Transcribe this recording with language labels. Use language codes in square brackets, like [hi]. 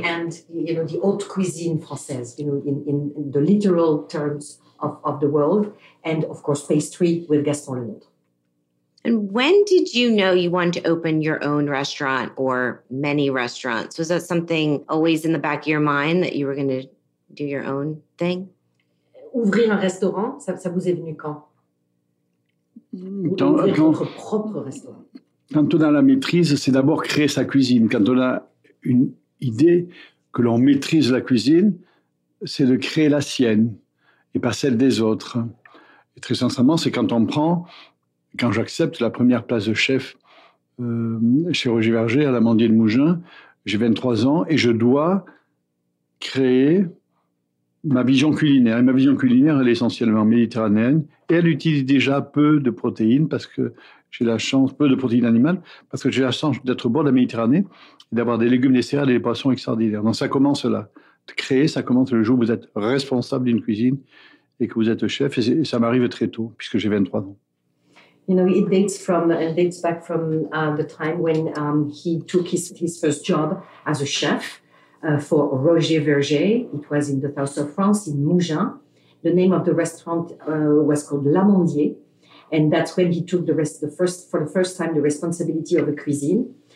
[en] The high-end, you know, the haute cuisine française, you know, in the literal terms of the world. And, of course, pastry with Gaston Lenotre. And when did you know you wanted to open your own restaurant or many restaurants? Was that something always in the back of your mind that you were going to do your own thing? [fr] Ouvrir un restaurant, ça vous est venu quand? Votre propre restaurant. Quand on a la maîtrise, c'est d'abord créer sa cuisine. Quand on a une idée que l'on maîtrise la cuisine, c'est de créer la sienne et pas celle des autres. Et très sincèrement, c'est quand on prend... Quand j'accepte la première place de chef chez Roger Verger à l'Amandier de Mougins, j'ai 23 ans et je dois créer ma vision culinaire. Et ma vision culinaire, elle est essentiellement méditerranéenne et elle utilise déjà peu de protéines animales parce que j'ai la chance d'être au bord de la Méditerranée, d'avoir des légumes, des céréales et des poissons extraordinaires. Donc ça commence là, créer, ça commence le jour où vous êtes responsable d'une cuisine et que vous êtes chef. Et ça m'arrive très tôt, puisque j'ai 23 ans. [en] You know, it dates back from the time when he took his first job as a chef for Roger Verger. It was in the south of France, in Mougins. The name of the restaurant was called L'Amandier, and that's when he took the first time the responsibility of a cuisine.